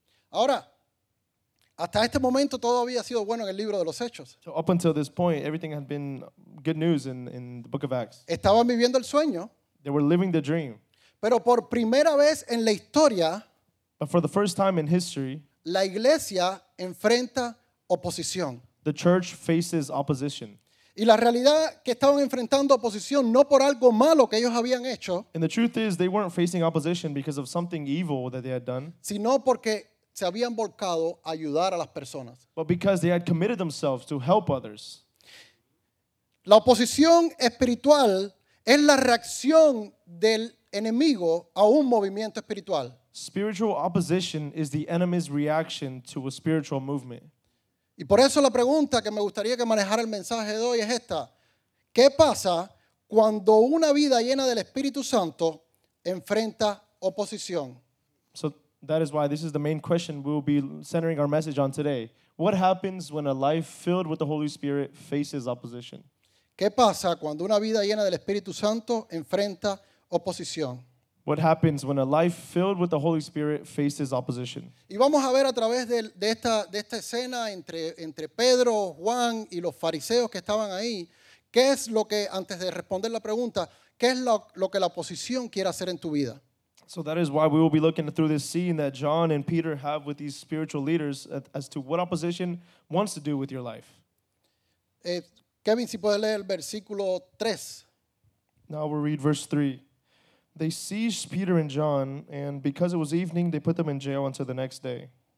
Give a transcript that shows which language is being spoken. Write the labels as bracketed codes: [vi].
[es] Ahora, Hasta este momento todo había sido bueno en el libro de los Hechos. [en] So up until this point, everything had been good news in the book of Acts. [es] Estaban viviendo el sueño. [en] They were living the dream. [es] Pero por primera vez en la historia, [en] but for the first time in history, [es] la iglesia enfrenta oposición. [en] The church faces opposition. [es] Y la realidad que estaban enfrentando oposición no por algo malo que ellos habían hecho. [en] And the truth is they weren't facing opposition because of something evil that they had done. [es] Sino porque se habían volcado a ayudar a las personas. [en] But because they had committed themselves to help others. [es] La oposición espiritual es la reacción del enemigo a un movimiento espiritual. [en] Spiritual opposition is the enemy's reaction to a spiritual movement. [es] Y por eso la pregunta que me gustaría que manejara el mensaje de hoy es esta. ¿Qué pasa cuando una vida llena del Espíritu Santo enfrenta oposición? [en] So that is why this is the main question we'll be centering our message on today. What happens when a life filled with the Holy Spirit faces opposition? [es] ¿Qué pasa cuando una vida llena del Espíritu Santo enfrenta oposición? [en] What happens when a life filled with the Holy Spirit faces opposition? [es] Y vamos a ver a través de esta escena entre Pedro, Juan y los fariseos que estaban ahí, ¿qué es lo que, antes de responder la pregunta, qué es lo que la oposición quiere hacer en tu vida? [en] So that is why we will be looking through this scene that John and Peter have with these spiritual leaders as to what opposition wants to do with your life. [es] Kevin, si puedes leer el versículo 3. [en] Now we'll read verse 3. They seized Peter and John, and because it was evening, they put them in jail until the next day.